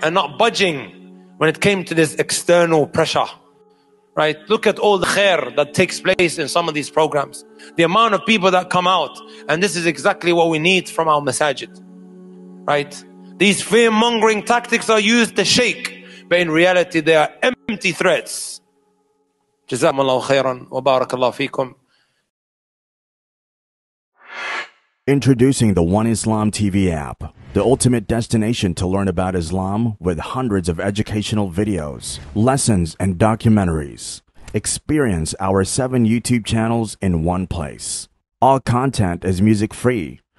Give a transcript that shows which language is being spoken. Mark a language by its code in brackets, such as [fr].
[en] And not budging when it came to this external pressure. Right? Look at all the khair that takes place in some of these programs. The amount of people that come out. And this is exactly what we need from our masajid. Right? These fear-mongering tactics are used to shake. But in reality, they are empty threats. [ar] جزاكم الله خيراً وبارك الله فيكم. [en] Introducing the One Islam TV app, the ultimate destination to learn about Islam with hundreds of educational videos, lessons, and documentaries. Experience our 7 YouTube channels in one place. All content is music-free.